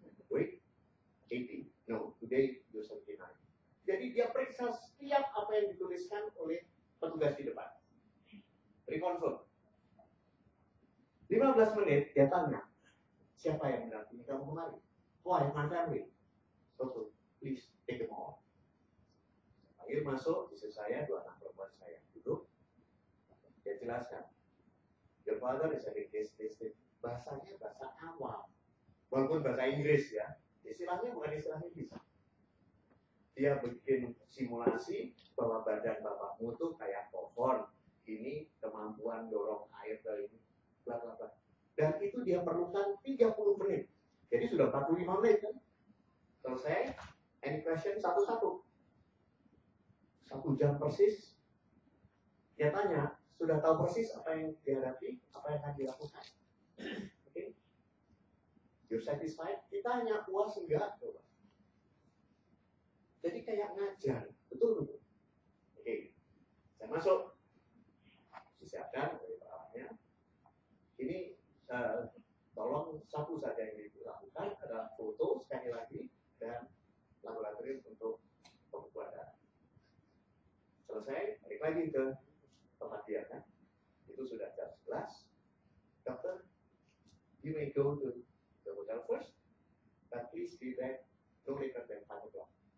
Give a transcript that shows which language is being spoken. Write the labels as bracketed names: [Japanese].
[English] Weight, 80. No, today you're 79. [Indonesian] Jadi dia periksa setiap apa yang dituliskan oleh petugas di depan. [English] Reconfirm. [Indonesian] 15 menit dia tanya, siapa yang mendampingi kamu kemari? [English] Why, my family. [Indonesian] Betul, [English] please take them all. [Indonesian] Akhir masuk, istri saya, dua anak perempuan saya duduk. Dia jelaskan, [English] your father is having this. [Indonesian] Bahasanya bahasa awam, walaupun bahasa Inggris ya. Istilahnya bukan istilah Inggris. Dia bikin simulasi bahwa badan bapakmu tuh kayak pohon. Ini kemampuan dorong air dari ini, bla. Dan itu dia perlukan 30 menit. Jadi sudah 45 menit kan? Selesai, [English] any question [Indonesian] satu-satu. Satu jam persis. Dia tanya, sudah tahu persis apa yang dihadapi, apa yang akan dilakukan. Oke? Okay. [English] You're satisfied? [Indonesian] Kita hanya puas enggak? Coba. Jadi kayak ngajar, betul? Oke, okay. Saya masuk. Disiapkan dari perawatnya. Ini tolong satu saja yang dilakukan adalah foto sekali lagi dan laboratorium untuk pengukuran darah. Selesai, balik lagi ke tempat dia kan. Itu sudah jam 11. [English] Dokter, you may go to the hotel first, but please be back no later than 5 o'clock.